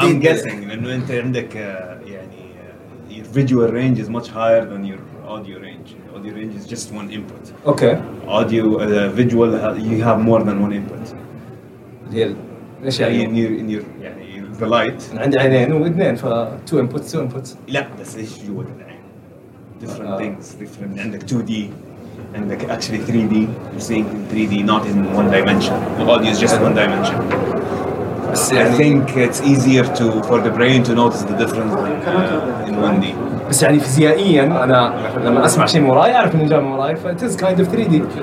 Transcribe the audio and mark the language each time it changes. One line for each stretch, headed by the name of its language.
English: I'm guessing
Arabic: لأنه أنت عندك يعني
English: your visual range is much higher than your audio range. Audio range is just one input. Okay. Audio visual you have more than one input.
Arabic: ليش
English: يعني in your يعني the light.
Arabic: عندي عينين واثنين ف
English: two inputs.
Arabic: لا بس إيش جوة العين؟
English: Different things. Different.
Arabic: عندك
English: 2D. And like actually 3D, you're seeing 3D, not in one dimension. The audio is just one dimension. I think it's easier to for the brain to notice the difference in 1D.
Arabic: بس يعني فيزيائيا أنا لما أسمع شيء موراي أعرف إنه جاء موراي ف
English: it is kind of 3D.